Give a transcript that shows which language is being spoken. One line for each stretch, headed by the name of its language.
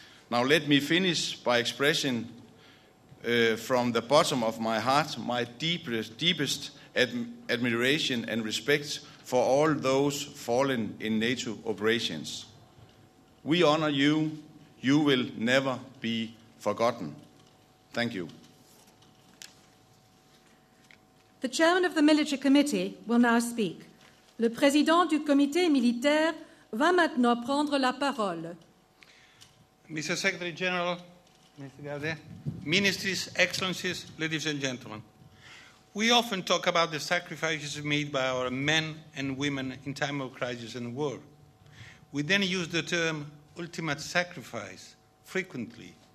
English: Now let me finish by expressing from the bottom of my heart my deepest admiration and respect for all those fallen in NATO operations. We honor you. You will never be forgotten. Thank you. The Chairman of the Military Committee will now speak.
French: Le Président du Comité Militaire va maintenant prendre la parole.
English: Mr. Secretary General, Mr. Gardet, Ministers, Excellencies, ladies and gentlemen, we often talk about the sacrifices made by our men and women in time of crisis and war. We then use the term ultimate sacrifice frequently.